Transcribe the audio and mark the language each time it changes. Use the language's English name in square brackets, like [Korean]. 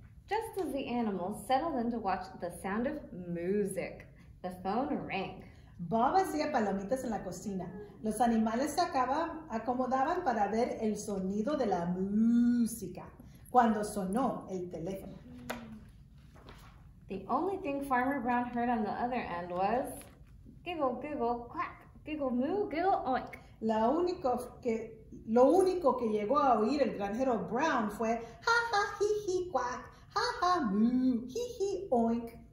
[English] Just as the animals settled in to watch The Sound of Music, the phone rang. [Spanish] Bob hacía palomitas en la cocina. Los animales se acomodaban para ver el sonido de la música cuando sonó el teléfono. [English] The only thing Farmer Brown heard on the other end was giggle, giggle, quack. Giggle, moo, giggle, oink. [Spanish] Lo único que llegó a oír el granjero Brown fue ha, ha, hee, hee, quack, ha, ha, moo, hee, hee, oink.